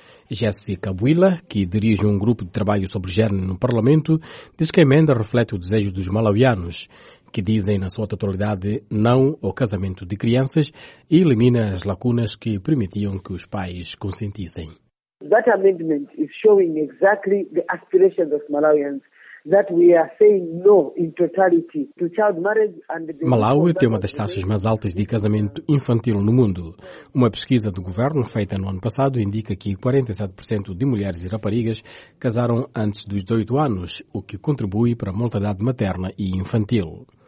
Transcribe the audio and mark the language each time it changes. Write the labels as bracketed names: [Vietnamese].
[Portuguese] Jessica Buila, que dirige um grupo de trabalho sobre género no Parlamento, diz que a emenda reflete o desejo dos malawianos, que dizem na sua totalidade não ao casamento de crianças e elimina as lacunas que permitiam que os pais consentissem. [English] That amendment is showing exactly the aspirations of Malawians. [Portuguese] Malawi tem uma das taxas mais altas de casamento infantil no mundo. Uma pesquisa do governo feita no ano passado indica que 47% de mulheres e raparigas casaram antes dos 18 anos, o que contribui para a mortalidade materna e infantil.